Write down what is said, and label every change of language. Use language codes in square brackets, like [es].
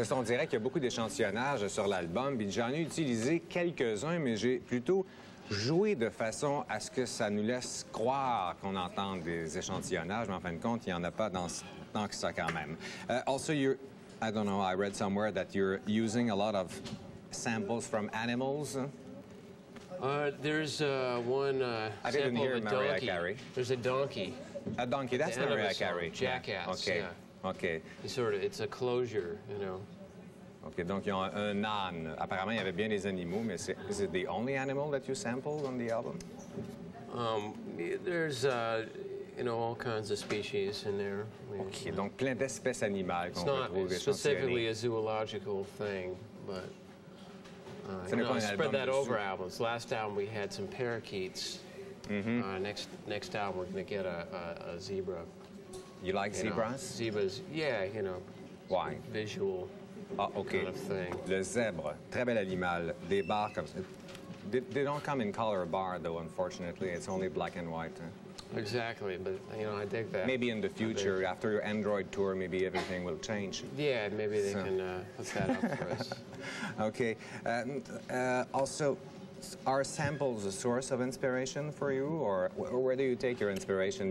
[fr] C'est ça, on dirait qu'il y a beaucoup d'échantillonnage sur l'album. J'en ai utilisé quelques-uns, mais j'ai plutôt joué de façon à ce que ça nous laisse croire qu'on entend des échantillonnages, mais en fin de compte, il n'y en a pas dans tant que ça quand même. [en] I don't know, I read somewhere that you're using a lot of samples from animals. There's one sample I didn't hear of a Mariah donkey. Carey. There's a donkey. A donkey, that's the Mariah Carey. Song. Jackass, yeah. Okay. Yeah. Okay. It's a closure, you know. [fr] Okay, donc ils ont un âne. Apparemment, il y avait bien des animaux, mais [en] is it the only animal that you sampled on the album? There's, all kinds of species in there. [fr] OK, donc plein d'espèces animales qu'on retrouve échantillonnées. [en] It's not specifically a zoological thing, but... spread that over albums. Last album, we had some parakeets. Mm-hmm. Next album, we're going to get a zebra. You like zebras? Zebras, yeah, Why? Visual kind of thing. [fr] Le zèbre, très bel animal, des barres comme ça. [en] They don't come in color bar, though, unfortunately. It's only black and white. Huh? Exactly, but, I dig that. Maybe in the future, after your Android tour, maybe everything will change. Yeah, maybe they can hook that up for us. Okay. Also, are samples a source of inspiration for you, or where do you take your inspiration?